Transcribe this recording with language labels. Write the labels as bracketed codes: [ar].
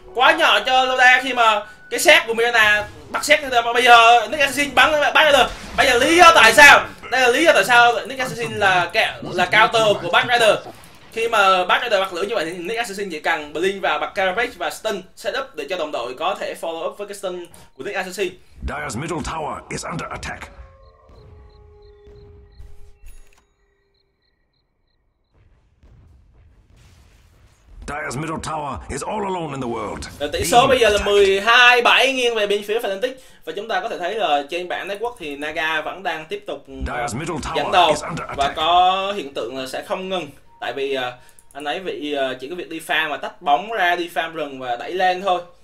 [vi] Quá nhỏ cho Loda khi mà cái xét của Mirana bắt xét ra, mà bây giờ Nick Assassin bắn ra được. Bây giờ lý do tại sao, đây là lý do tại sao Nick Assassin là counter của Bat Rider. Khi mà Bat Rider bắt lửa như vậy thì Nick Assassin chỉ cần Blink và bật Carapace và Stun setup để cho đồng đội có thể follow up với cái Stun của Nick Assassin. [en] Dire's middle tower is under attack. Dire's middle tower is all alone in the world. [vi] Tỷ số bây giờ là 12-7 nghiêng về bên phía Fnatic, và chúng ta có thể thấy là trên bảng đế quốc thì Naga vẫn đang tiếp tục dẫn đầu và có hiện tượng là sẽ không ngừng, tại vì anh ấy bị chỉ có việc đi farm và tách bóng ra, đi farm rừng và đẩy lên thôi.